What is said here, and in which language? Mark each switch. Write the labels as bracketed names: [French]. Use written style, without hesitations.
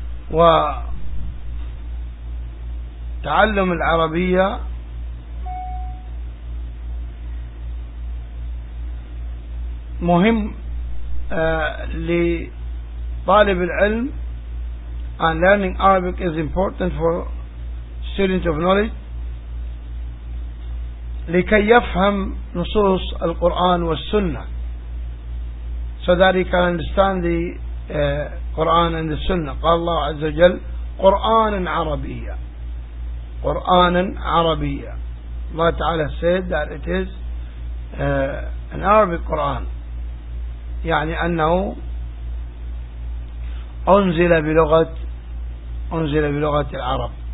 [Arabic] و تعلم العربية مهم لطالب العلم. [English] And learning Arabic is important for student of knowledge [Arabic] لكي يفهم نصوص القرآن والسنة, [English] so that he can understand the Quran and the Sunnah. [Arabic] قال الله عز وجل قرآن عربية, قرآن عربية. [English] الله تعالى said that it is an Arabic Quran, [Arabic] يعني أنه أنزل بلغة العرب.